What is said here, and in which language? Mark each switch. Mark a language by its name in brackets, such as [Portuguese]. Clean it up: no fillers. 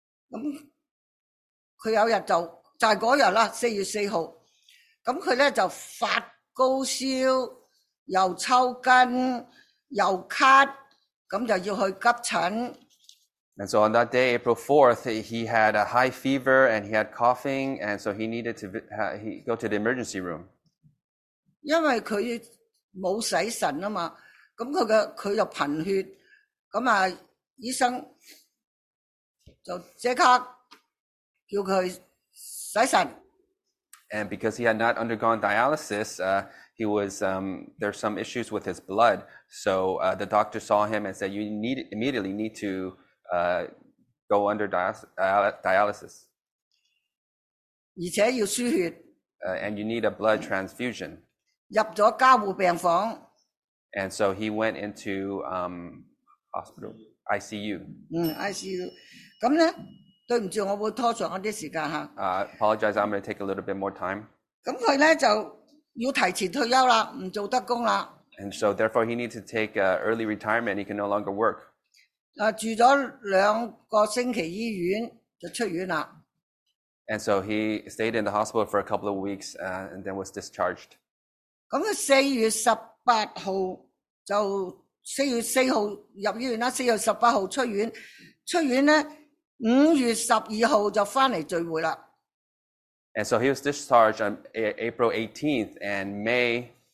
[Cantonese] 咁佢有日就系嗰日啦，4月4日，咁佢咧就发高烧，又抽筋，又咳。咁就要去急诊。 [English] And so on that day, April 4th, he had a high fever and he had coughing, and so he needed to go to the emergency room. [Cantonese] 因为佢冇洗肾啊嘛，咁佢又贫血，咁啊医生就即刻叫佢洗肾。 [English] And because he had not undergone dialysis, he was there's some issues with his blood. So the doctor saw him and said, "You immediately need to go under dialysis." [Cantonese] 而且要输血。 [English] And you need a blood transfusion. [Cantonese] 入咗加护病房。 [English] And so he went into hospital ICU. ICU. [Cantonese] 咁咧，对唔住，我会拖长一啲时间吓。 [English] Apologize. I'm going to take a little bit more time. [Cantonese] 咁佢咧就要提前退休啦，唔做得工啦。 [English] And so, therefore, he needs to take early retirement. He can no longer work. [Cantonese] 住咗两个星期医院就出院啦。 [English] And so he stayed in the hospital for a couple of weeks, and then was discharged. [Cantonese] 咁佢4月4日入医院啦，4月18日出院，出院咧5月12日就翻嚟聚会啦。 [English] And so he was discharged on April 18th, and May.